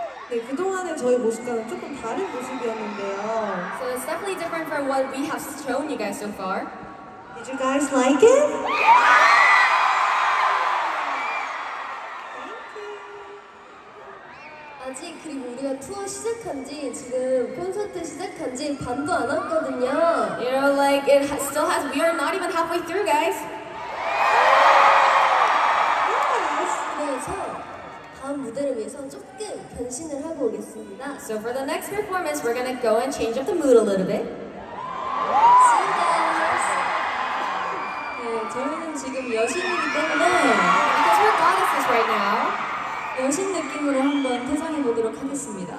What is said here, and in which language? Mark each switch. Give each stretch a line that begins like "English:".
Korean: 네, 그동안의 저희 모습과는 조금 다른 모습이었는데요.
English: So it's definitely different from what we have shown you guys so far. Did you guys like it? Thank you.
Korean: 아직 그리고 우리가 투어 시작한지 지금 콘서트 시작한지 반도 안 왔거든요.
English: You know, like it has, still has. We are not even halfway through, guys. Yes.
Korean: 그래서 다음 무대를 위해서 조금 변신을 하고 오겠습니다.
English: So for the next performance, we're gonna go and change up the mood a little bit. See you guys.
Korean: 네, 저희는 지금 여신이기 때문에.
English: Because we're goddesses right now.
Korean: 여신 느낌으로 한번 퇴장해 보도록 하겠습니다.